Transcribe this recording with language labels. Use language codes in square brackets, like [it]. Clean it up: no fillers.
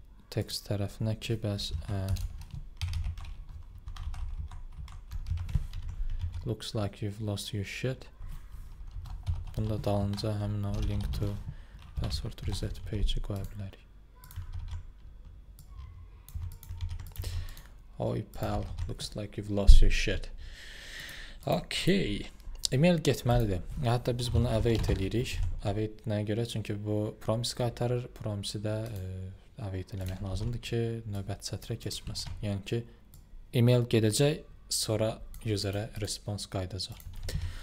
[az] Tekst tərəfinə ki bəs [en] looks like you've lost your shit. [az] Bunda dalınca həmin o link to password reset page-i qoya bilərik. [en] Oy pal, looks like you've lost your shit. [az] Okay. E-mail getməlidir. Hətta biz bunu await eləyirik. Await nəyə görə? Çünki bu promise qaytarır. Promise-i də await eləmək lazımdır ki, növbət sətrə keçməsin. Yəni ki, e-mail gedəcək, sonra user-ə response qaydacaq.